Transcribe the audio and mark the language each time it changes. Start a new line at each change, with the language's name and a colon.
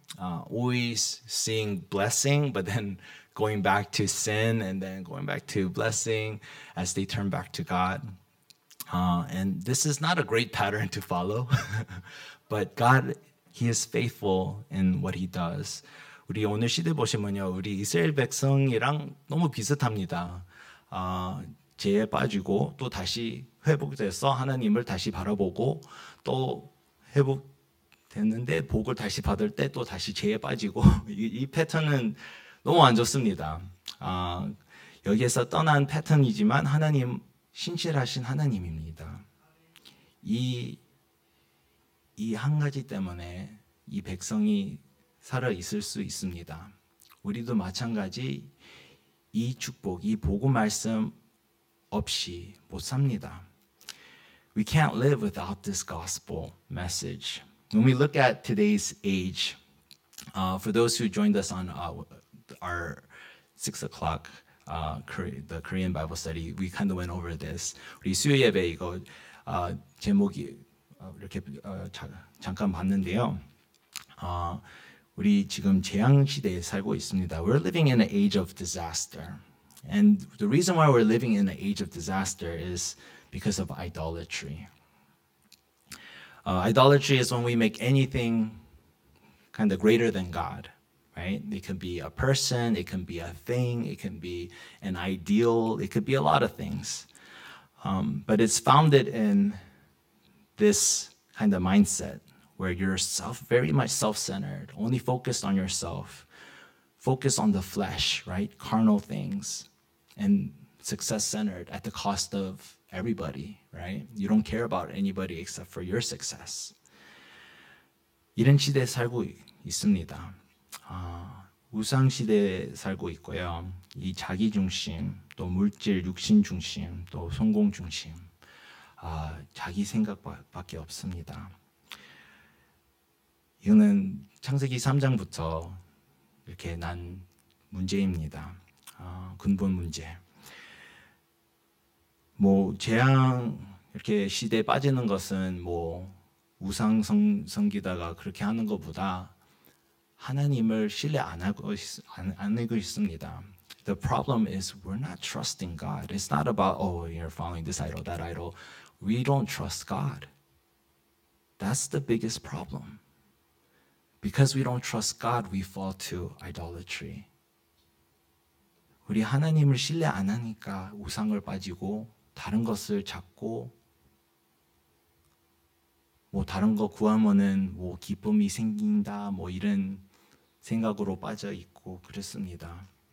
English: Always seeing blessing, but then going back to sin and then going back to blessing as they turn back to God. And this is not a great pattern to follow, but God, He is faithful in what He does.
Korean: 우리 오늘 시대 보시면요, 우리 이스라엘 백성이랑 너무 비슷합니다. 죄에 빠지고 또 다시 회복돼서 하나님을 다시 바라보고 또 회복됐는데 복을 다시 받을 때 또 다시 죄에 빠지고 이 패턴은 너무 안 좋습니다. 여기에서 떠난 패턴이지만 하나님 신실하신 하나님입니다. 이 한 가지 때문에 이 백성이 살아 있을 수 있습니다. 우리도 마찬가지 이 축복, 이 복음 말씀 없이 못 삽니다.
English: We can't live without this gospel message. When we look at today's age, for those who joined us on our 6 o'clock the Korean Bible study, we kind of went over this.
Korean: 우리 수요 예배 이거 제목이 이렇게 잠깐 봤는데요. 우리 지금 재앙 시대에 살고 있습니다.
English: We're living in an age of disaster. And the reason why we're living in an age of disaster is because of idolatry. Idolatry is when we make anything kind of greater than God, right? It can be a person, it can be a thing, it can be an ideal, it could be a lot of things. But it's founded in this kind of mindset, where you're self, very much self-centered, only focused on yourself, focused on the flesh, right? Carnal things, and success-centered at the cost of everybody, right? You don't care about anybody except for your success.
Korean: 이런 시대에 살고 있습니다. 우상 시대에 살고 있고요. 이 자기 중심, 또 물질, 육신 중심, 또 성공 중심, 자기 생각밖에 없습니다. 이거는 창세기 3장부터 이렇게 난 문제입니다. 근본 문제. 뭐 재앙 이렇게 시대에 빠지는 것은 뭐 우상 섬기다가 그렇게 하는 것보다 하나님을 신뢰 안 하고 있습니다.
English: The problem is we're not trusting God. It's not about oh you're following this idol, that idol. We don't trust God. That's the biggest problem. Because we don't trust God, we fall to idolatry.
Korean: 우리 하나님을 신뢰 안 하니까 우상을 빠지고 다른 것을 찾고 뭐 다른 거 구하면은 뭐 기쁨이 생긴다 뭐 이런 생각으로 빠져 있고 그랬습니다.